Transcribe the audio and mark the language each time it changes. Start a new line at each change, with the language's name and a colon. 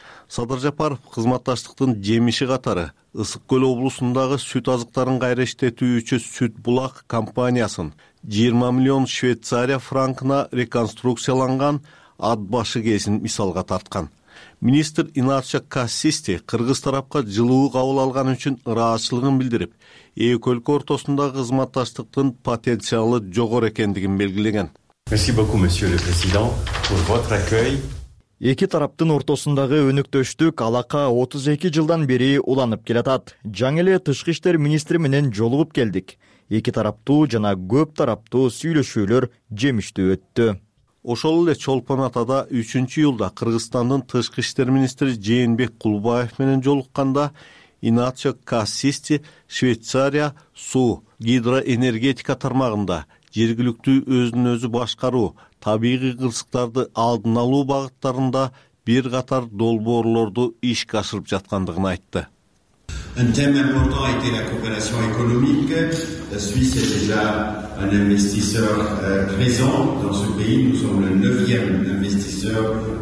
Kyrgyz: Садыр Жапаров кызматташтыктын жемиши катары Ысык Көл облусундагы сүт азыктарын кайра иштетүүчү Сүт Булак компаниясын 20 миллион Швейцария франкына реконструкцияланган ат башы кесин мисалга тарткан. Министр Иначо Кассисти кыргыз тарапка жылуу кабыл алган үчүн ыраазычылыгын билдирип, эки өлкө ортосундагы кызматташтыктын потенциалы жогору экендигин белгилеген.
French: Merci beaucoup monsieur le président pour votre accueil.
Kyrgyz: Эки тараптын ортосундагы өнөктөштүк алака 32 жылдан бери уланып келатат. Жаңы эле тышкы иштер министри менен жолугуп келдик. Эки тараптуу жана көп тараптуу сүйлөшүүлөр жемиштүү өттү. Ошол эле Чолпон Атада 3-июлда Кыргызстандын тышкы иштер министри Жээнбек Кулубаев менен жолукканда Иначо Кассисти Швейцария суу, гидроэнергетика тармагында жергиликтүү өзүн өзү башкаруу, табигый кырсыктарды алдын алуу багыттарында бир катар долбоорлорду ишке ашырып жаткандыгын айтты.
French: Un thème important a été la coopération économique. La Suisse est déjà un investisseur présent dans ce pays. Nous sommes le 9e investisseur.